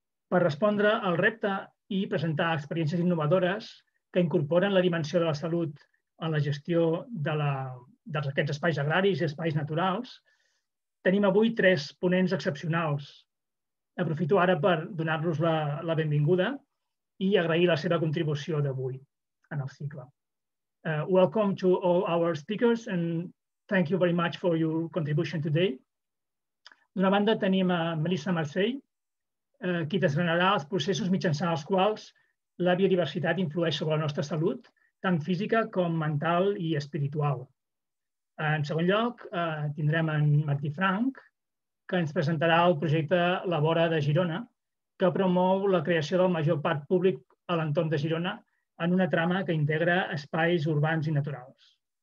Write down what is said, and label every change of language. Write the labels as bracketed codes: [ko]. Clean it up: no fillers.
[ca] Per respondre al repte i presentar experiències innovadores que incorporen la dimensió de la salut en la gestió d'aquests espais agraris i espais naturals, tenim avui tres ponents excepcionals. Aprofito ara per donar-los la benvinguda i agrair la seva contribució d'avui en el cicle. [en] Welcome to all our speakers and thank you very much for your contribution today. [ca] D'una banda, tenim a Melissa Marcell, qui desgranarà els processos mitjançant els quals la biodiversitat influeix sobre la nostra salut, tant física com mental i espiritual. En segon lloc, tindrem en Martí Franc, que ens presentarà el projecte La Vora de Girona, que promou la creació del major parc públic a l'entorn de Girona en una trama que integra espais urbans i naturals.